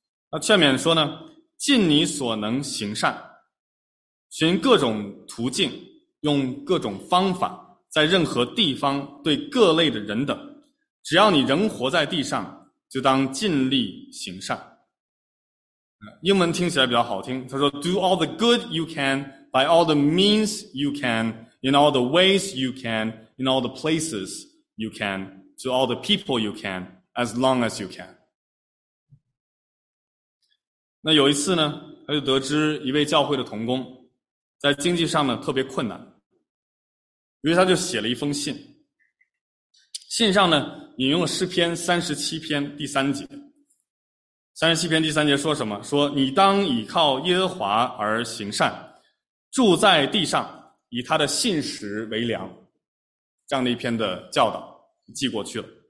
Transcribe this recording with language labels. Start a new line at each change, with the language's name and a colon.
Chinese: 那劝勉说呢，尽你所能行善，寻各种途径，用各种方法，在任何地方对各类的人等，只要你仍活在地上，就当尽力行善。英文听起来比较好听，他说
English: Do all the good you can by all the means you can, in all the ways you can, in all the places you can, to all the people you can, as long as you can.
Chinese: 那有一次呢，他就得知一位教会的同工在经济上呢特别困难，于是他就写了一封信，信上呢引用了诗篇37篇第三节。 37篇第三节说什么？说你当倚靠耶和华而行善，住在地上，以他的信实为粮，这样的一篇的教导寄过去了。